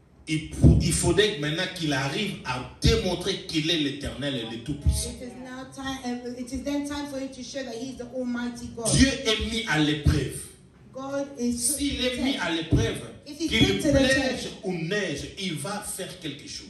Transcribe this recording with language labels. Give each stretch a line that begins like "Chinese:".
French: Il faudrait maintenant qu'il arrive à démontrer qu'il est l'Éternel et le Tout-Puissant.
English: It is then time for him to show that he is the Almighty God.
French: Dieu est mis à l'épreuve.
English: God is
French: s'il est mis à l'épreuve, qu'il pleuve ou neige, il va faire quelque chose.